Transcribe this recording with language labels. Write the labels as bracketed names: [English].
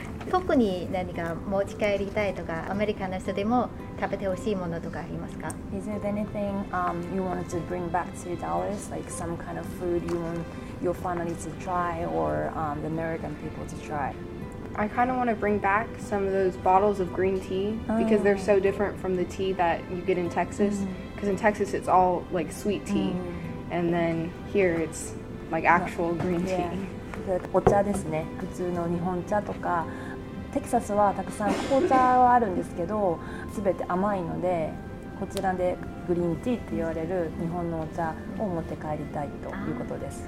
[Japanese] 特に何か持ち帰りたいとか、アメリカの人でも食べてほしいものとかありますか? [English] Is there anything you wanted to bring back to Dallas? Like some kind of food you want your family to try or the American people to try? I kind of want to bring back some of those bottles of green tea because they're so different from the tea that you get in Texas. Because in Texas it's all like sweet tea and then here it's like actual green tea. [Japanese] お茶ですね。普通の日本茶とか、テキサスはたくさん紅茶はあるんですけど、すべて甘いので、こちらでグリーンティーって言われる日本のお茶を持って帰りたいということです。